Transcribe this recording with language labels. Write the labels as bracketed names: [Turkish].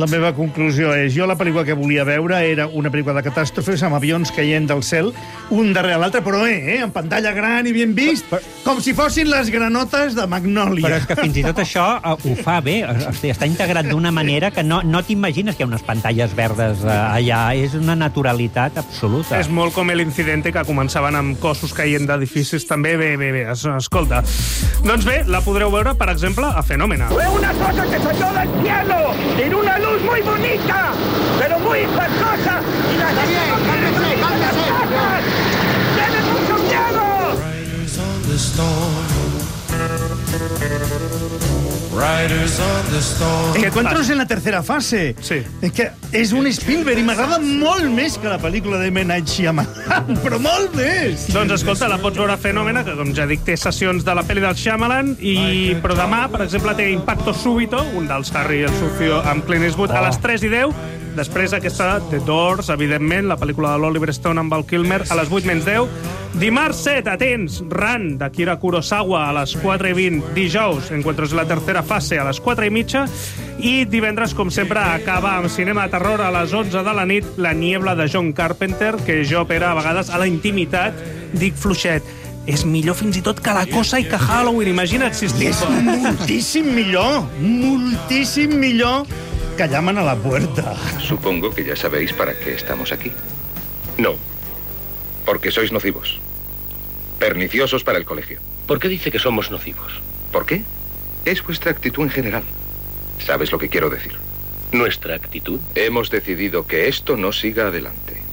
[Catalan] La meva conclusió és, jo la pel·lícula que volia veure era una pel·lícula de catàstrofes amb avions caient del cel, un darrere l'altre, però amb pantalla gran i ben vist, com si fossin les granotes de Magnolia. Però és que fins i tot això ho fa bé, hosti, està integrat d'una manera que no t'imagines que hi ha unes pantalles verdes allà, és una naturalitat absoluta. És molt com l'incidente que començaven amb cossos caient d'edificis també. Bé, escolta. Doncs bé, la podreu veure, per exemple, a Fenòmena. [Spanish] Fue una cosa que salió del cielo en una luz muy bonita pero muy infernosa y la gente no tiene mucho miedo. [English] Riders on the storm. [Spanish] Que encuentros en la tercera fase. Sí. [Catalan] Que és un Spielberg i m'agrada molt més que la pel·lícula de M. Night Shyamalan, però molt més. Doncs escolta, la pots veure a Fenòmena, que com ja dic, té sessions de la pel·li del Shyamalan, i però demà, per exemple, té Impacto Súbito, un dels Harry el Sucio amb Clint Eastwood, a les 3:10. després aquesta, The Doors, evidentment, la pel·lícula de l'Oliver Stone amb el Kilmer, a les 8:10. Dimarts 7, atents, Run, de Kira Kurosawa, a les 4:20. Dijous, Encuentros de la tercera fase, a les 4:30. I divendres, com sempre, acaba amb Cinema de Terror a les 11 de la nit, La niebla de John Carpenter, que jo opera a vegades a la intimitat, dic fluixet. És millor fins i tot que La Cosa i que Halloween. Imagina't si estic... És moltíssim millor, moltíssim millor que Llaman a la Puerta. [Spanish] Supongo que ya sabéis para qué estamos aquí. No, porque sois nocivos. Perniciosos para el colegio. ¿Por qué dice que somos nocivos? ¿Por qué? Es vuestra actitud en general. ¿Sabes lo que quiero decir? ¿Nuestra actitud? Hemos decidido que esto no siga adelante.